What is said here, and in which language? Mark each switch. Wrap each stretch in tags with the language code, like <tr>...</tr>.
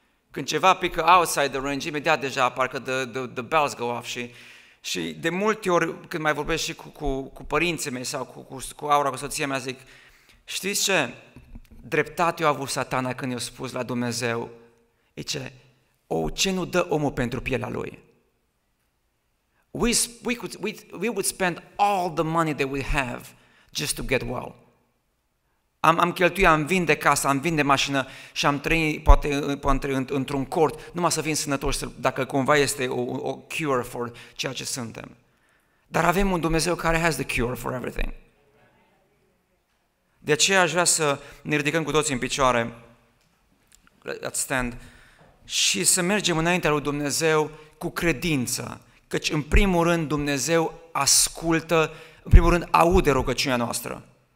<ro>Când ceva pică</ro> <en>outside the range,</en> <ro>imediat deja parcă</ro> <en>the bells go off.</en> <ro>Și de multe ori când mai vorbesc și cu părinții mei sau cu Aura, cu soția mea, zic, știți ce dreptate a avut Satana când i-a spus la Dumnezeu? Zice, ce nu dă omul pentru pielea lui?</ro> <en>We would spend all the money that we have just to get well.</en> <ro>Am cheltuit, am vinde casă, am vinde mașină și am trăit poate într-un cort, numai să fim sănătoși, dacă cumva este o</ro> <en>cure for</en> <ro>ceea ce suntem. Dar avem un Dumnezeu care</ro> <en>has the cure for everything.</en> <ro>De aceea aș vrea să ne ridicăm cu toții în picioare,</ro> <en>let's stand,</en> <ro>și să mergem înaintea lui Dumnezeu cu credință, căci în primul rând Dumnezeu ascultă, în primul rând aude rugăciunea noastră.</ro>